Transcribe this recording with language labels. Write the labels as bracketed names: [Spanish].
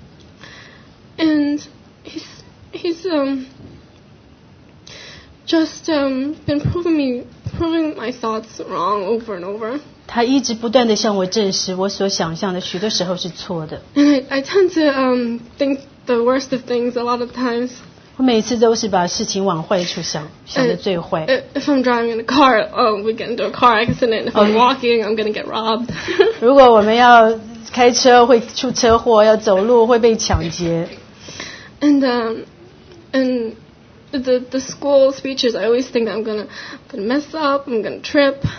[English] he's been proving my thoughts wrong over and over. [Chinese] 他一直不断地向我证实，我所想象的许多时候是错的。And [English] I tend to think the worst of things a lot of times. [Chinese] 我每次都是把事情往坏处想，想的最坏。 [English] If I'm driving in a car, we get into a car accident. If I'm walking, I'm gonna get robbed. [Chinese] 如果我们要开车会出车祸，要走路会被抢劫。And [English] the school speeches, I always think I'm gonna mess up, I'm gonna trip.